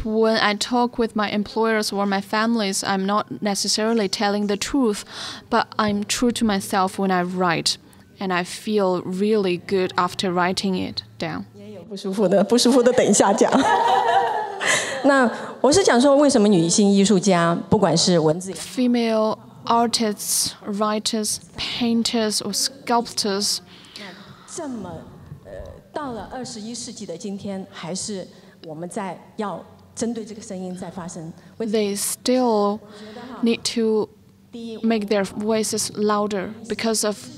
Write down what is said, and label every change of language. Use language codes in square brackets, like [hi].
[en] when I talk with my employers or my families, I'm not necessarily telling the truth, but I'm true to myself when I write. And I feel really good after writing it down. [zh] 也有不舒服的，不舒服的等一下讲。那我是讲说，为什么女性艺术家，不管是文字 [en] ，female artists, writers, painters, or sculptors， [zh] 这么到了二十一世纪的今天，还是我们在要针对这个声音在发声 [en] ？They still need to make their voices louder because of.